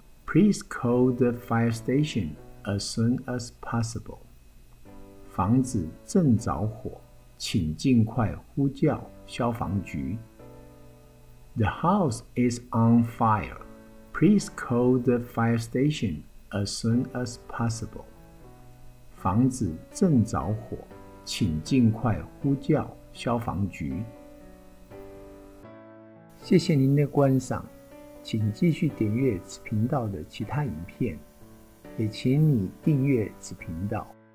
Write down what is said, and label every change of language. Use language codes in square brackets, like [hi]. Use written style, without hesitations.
[en] Please call the fire station as soon as possible. [zh] 房子正着火，请尽快呼叫消防局。 [en] The house is on fire. Please call the fire station as soon as possible. [zh] 房子正着火，请尽快呼叫消防局。谢谢您的观赏，请继续订阅此频道的其他影片，也请你订阅此频道。